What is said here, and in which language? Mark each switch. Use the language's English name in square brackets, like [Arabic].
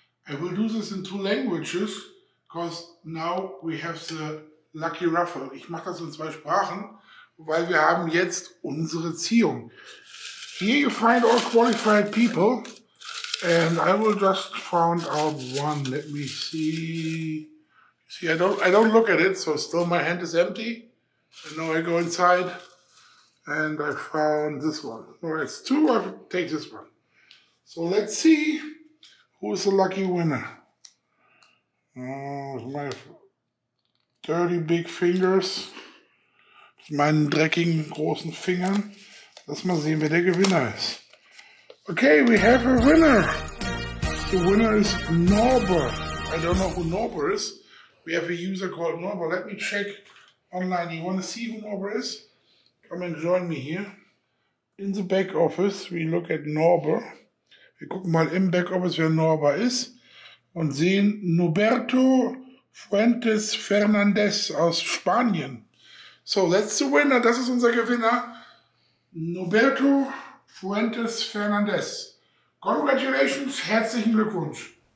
[English] I will do this in two languages, because now we have the lucky raffle. [German] Ich mache das in zwei Sprachen, weil wir haben jetzt unsere Ziehung. [English] Here you find all qualified people, and I will just found out one. Let me see. See, I don't look at it, so still my hand is empty. And now I go inside, and I found this one. No, it's two, I take this one. So let's see who is the lucky winner. Oh, my dirty big fingers. [German] Meinen dreckigen großen Fingern. Lass mal sehen, wer der Gewinner ist. [English] Okay, we have a winner. The winner is Norber. I don't know who Norber is. We have a user called Norber. Let me check online. You want to see who Norber is? Come and join me here. In the back office, we look at Norber. [German] Wir gucken mal im back office, wer Norber ist. Und sehen Norberto Fuentes Fernandez aus Spanien. [English] So, that's the winner. [German] Das ist unser Gewinner. Norberto Fuentes Fernandez. [English] Congratulations. [German] Herzlichen Glückwunsch.